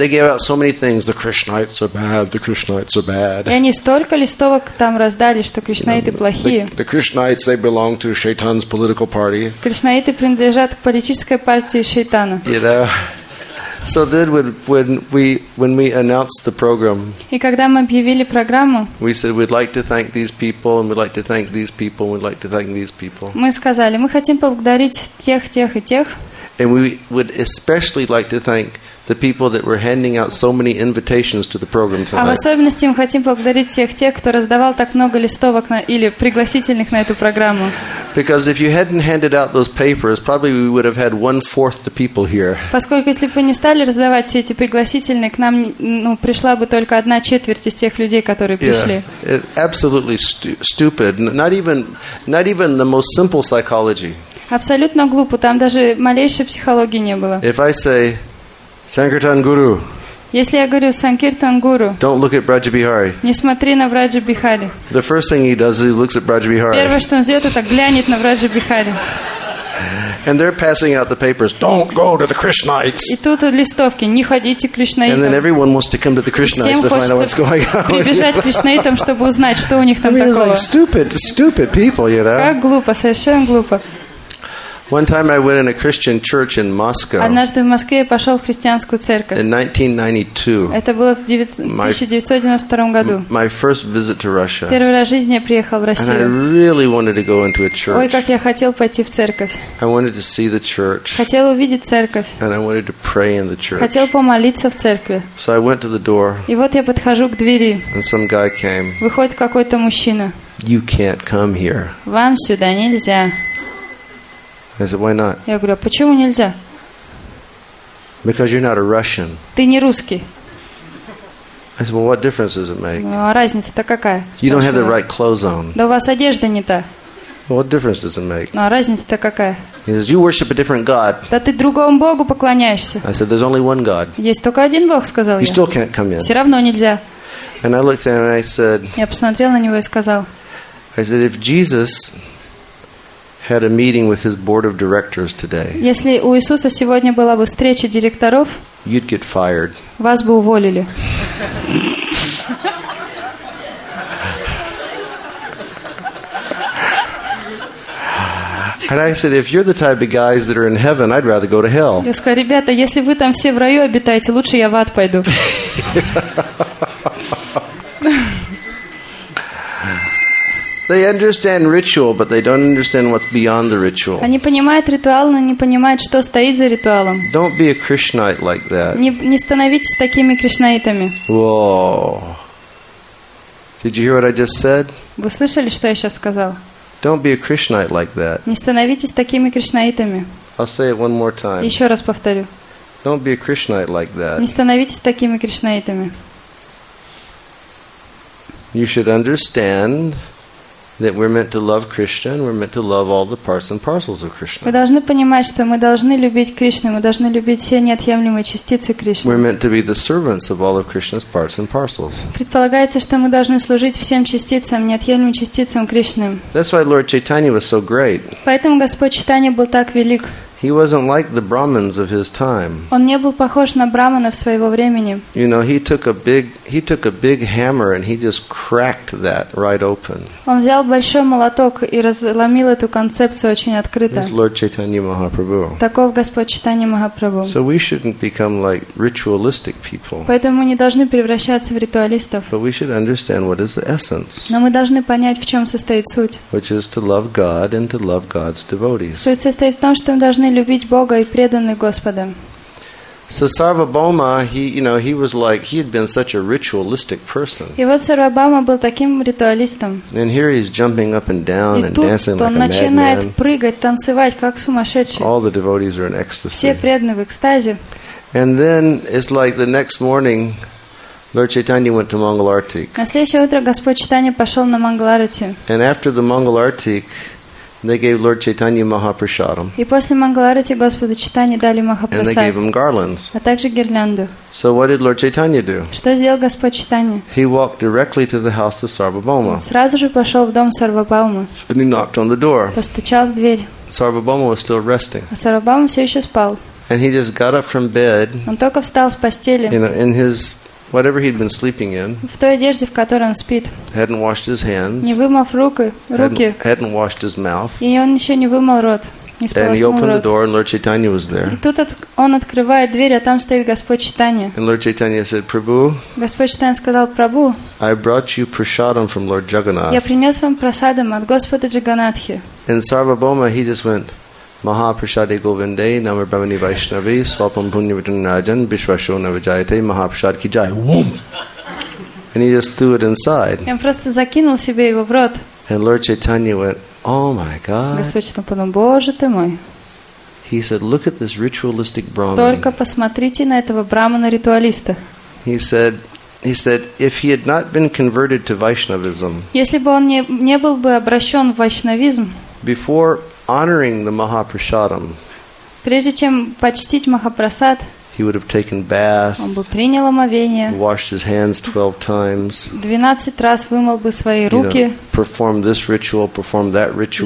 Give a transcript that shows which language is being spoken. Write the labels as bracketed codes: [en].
[en] they gave out so many things. The Krishnites are bad. The Krishnites are bad. [ru] И они столько листовок там раздали, что кришнаиты плохие. [en] The Krishnites, they belong to Shaitan's political party. [ru] Кришнаиты принадлежат к политической партии Шайтана. [en] You know. So then when we announced the program, [ru] И когда мы объявили программу, [en] we said we'd like to thank these people and we'd like to thank these people and we'd like to thank these people. [ru] Мы сказали, мы хотим поблагодарить тех, тех и тех. [en] And we would especially like to thank the people that were handing out so many invitations to the program tonight. [ru] А в особенности мы хотим поблагодарить всех тех, кто раздавал так много листовок или пригласительных на эту программу. [en] Because if you hadn't handed out those papers, probably we would have had 1/4 the people here. [ru] Поскольку если бы не стали раздавать все эти пригласительные, к нам пришла бы только 1/4 из тех людей, которые пришли. [en] Yeah, absolutely stupid. Not even the most simple psychology. [ru] Абсолютно глупо. Там даже малейшей психологии не было. [en] If I say Sankirtan Guru. [ru] Если я говорю Sankirtan Guru. [en] Don't look at Brajabihari. [ru] Не смотри на Брадж-Бихари. [en] The first thing he does is he looks at Брадж-Бихари. [ru] Первое, что он сделает, это глянет на Брадж-Бихари. [en] And they're passing out the papers. Don't go to the Krishnites. [ru] И тут листовки. Не ходите к кришнаитам. [en] And then everyone wants to come to the Krishnites to find out what's going on. [ru] Прибежать к кришнаитам, чтобы узнать, что у них там такого. [en] Like stupid people, you know. [ru] Как глупо, совершенно глупо. [en] One time I went in a Christian church in Moscow. [ru] Однажды в Москве я пошел в христианскую церковь. [en] In 1992. [ru] Это было в 1992 году. [en] My first visit to Russia. [ru] Первый раз в жизни я приехал в Россию. [en] And I really wanted to go into a church. [ru] Ой, как я хотел пойти в церковь. [en] I wanted to see the church. [ru] Хотел увидеть церковь. [en] And I wanted to pray in the church. [ru] Хотел помолиться в церкви. [en] So I went to the door. [ru] И вот я подхожу к двери. [en] And some guy came. [ru] Выходит какой-то мужчина. [en] You can't come here. [ru] Вам сюда нельзя. [en] I said, why not? [ru] Я говорю, а почему нельзя? [en] Because you're not a Russian. [ru] Ты не русский. [en] I said, well, what difference does it make? [ru] Ну, а разница-то какая? [en] You don't have the right clothes on. [ru] Да у вас одежда не та. [en] Well, what difference does it make? [ru] Ну, а разница-то какая? [en] He says, you worship a different God. [ru] Да ты другому Богу поклоняешься. [en] I said, there's only one God. [ru] Есть только один Бог, сказал я. [en] You still can't come in. [ru] Все равно нельзя. [en] And I looked at him and I said, [ru] я посмотрел на него и сказал, [en] I said, if Jesus had a meeting with his board of directors today, [ru] если у Иисуса сегодня была бы встреча директоров, [en] you'd get fired. [ru] Вас бы уволили. [en] And I said, if you're the type of guys that are in heaven, I'd rather go to hell. [ru] Я сказал, ребята, если вы там все в раю обитаете, лучше я в ад пойду. [en] They understand ritual, but they don't understand what's beyond the ritual. [ru] Они понимают ритуал, но не понимают, что стоит за ритуалом. [en] Don't be a Krishnaite like that. [ru] Не становитесь такими кришнаитами. [en] Whoa! Did you hear what I just said? [ru] Вы слышали, что я сейчас сказал? [en] Don't be a Krishnaite like that. [ru] Не становитесь такими кришнаитами. [en] I'll say it one more time. [ru] Еще раз повторю. [en] Don't be a Krishnaite like that. [ru] Не становитесь такими кришнаитами. [en] You should understand that we're meant to love Krishna, and we're meant to love all the parts and parcels of Krishna. [ru] Мы должны понимать, что мы должны любить Кришну, мы должны любить все неотъемлемые частицы Кришны. [en] We're meant to be the servants of all of Krishna's parts and parcels. [ru] Предполагается, что мы должны служить всем частицам, неотъемлемым частицам Кришны. [en] That's why Lord Chaitanya was so great. [ru] Поэтому Господь Чайтанья был так велик. [en] He wasn't like the Brahmins of his time. [ru] Он не был похож на браманов своего времени. [en] You know, he took a big hammer and he just cracked that right open. [ru] Он взял большой молоток и разломил эту концепцию очень открыто. [en] This is Lord Chaitanya Mahaprabhu. [ru] Таков Господь Чайтанья Махапрабху. [en] So we shouldn't become like ritualistic people. [ru] Поэтому мы не должны превращаться в ритуалистов. [en] But we should understand what is the essence. [ru] Но мы должны понять, в чем состоит суть. [en] Which is to love God and to love God's devotees. [ru] Суть состоит в том, что мы должны любить Бога и преданных Господом. [en] So Sarvabhauma, he had been such a ritualistic person. [ru] И вот Сарвабхаума был таким ритуалистом. [en] And here he's jumping up and down and dancing like a madman. [ru] И тут он начинает прыгать, танцевать как сумасшедший. [en] All the devotees are in ecstasy. [ru] Все преданные в экстазе. [en] And then it's like the next morning, Lord Chaitanya went to Mangalartik. [ru] На следующее утро Господь Чайтанья пошел на Мангалартик. [en] And after the Mangalartik, they gave Lord Chaitanya Mahaprasadam. [ru] И после Мангаларати Господу Чайтанье дали Махапрасад. [en] And they gave him garlands. [ru] А также гирлянду. [en] So what did Lord Chaitanya do? [ru] Что сделал Господь Чайтанья? [en] He walked directly to the house of Sarvabhauma. [ru] Сразу же пошел в дом Сарвабхаумы. [en] And he knocked on the door. [ru] Постучал в дверь. [en] Sarvabhauma was still resting. [ru] А Сарвабхаума все еще спал. [en] And he just got up from bed. [ru] Он только встал с постели. [en] You know, in his whatever he'd been sleeping in. [ru] В той одежде, в которой он спит. [en] Hadn't washed his hands. [ru] Не вымыл руки. [en] Hadn't washed his mouth. [ru] И он еще не вымыл рот. [en] And he opened the door, and Lord Chaitanya was there. [ru] И тут он открывает дверь, а там стоит Господь Чайтанья. [en] And Lord Chaitanya said, Prabhu. [ru] Господь Чайтанья сказал, Прабу. [en] I brought you prasadam from Lord Jagannath. [ru] Я принес вам прасадам от Господа Джаганатхи. [en] And Sarvabhauma, he just went, [sa] Mahaprasade Govinde, Namar Bhavani Vaishnavi, Swapam Punyavitan Rajan, Bishwasho Navajayate, Mahaprasad Ki Jai. Whoom! [en] And he just threw it inside. [ru] Он просто закинул себе его в рот. [en] And Lord Chaitanya went, oh my God. [ru] Господь Чайтанья подумал, Боже ты мой. [en] He said, look at this ritualistic Brahmin. [ru] Только посмотрите на этого брамана-ритуалиста. [en] He said, if he had not been converted to Vaishnavism, [ru] если бы он не был бы обращен в вайшнавизм, [en] before honoring the Mahaprasadam, [ru] прежде чем почтить Махапрасад, [en] He would have taken bath. [ru] Он бы принял омовение. [en] Washed his hands 12 times. [ru] 12 раз вымыл бы свои руки. [en] Performed this ritual, performed that ritual.